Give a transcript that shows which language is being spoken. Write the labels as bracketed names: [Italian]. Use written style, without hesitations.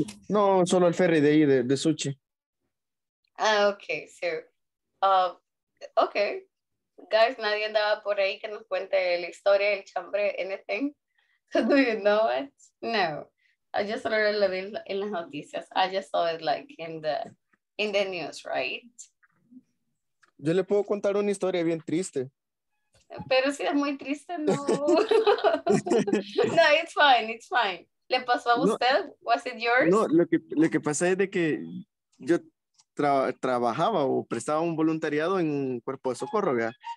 [Spanish] No, solo el ferry de ahí, de Suchi. [English] Ah, okay. So, okay. [Spanish] Guys, nadie andaba por ahí que nos cuente la historia, el chambre, anything. [English] Do you know it? No. I just already [Spanish] lo vi en las noticias. [English] I just saw it like in the news, right? [Spanish] Yo le puedo contar una historia bien triste. Pero si es muy triste, no. No, [English] it's fine. [Spanish] ¿Le pasó a usted? No, [English] ¿was it yours? [Spanish] No, lo que pasa es de que yo trabajaba o prestaba un voluntariado en un cuerpo de socorro, ¿verdad?